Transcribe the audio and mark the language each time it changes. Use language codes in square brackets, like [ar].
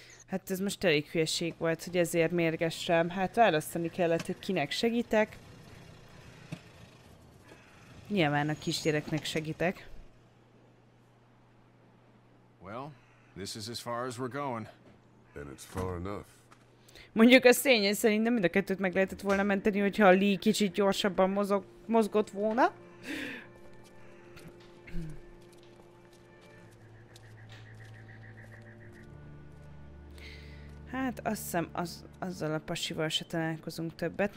[hu] Hát ez most elég hülyeség volt, hogy ezért mérgessem. Hát választani kellett, hogy kinek segítek. Nyilván a kisgyereknek segítek. [en] Well, this is as far as we're going. Then it's far enough. [hu] Mondjuk a szény szerintem mind a kettőt meg lehetett volna menteni, hogyha a Lee kicsit gyorsabban mozgott volna. Hát azt hiszem, azzal a pasival se találkozunk többet.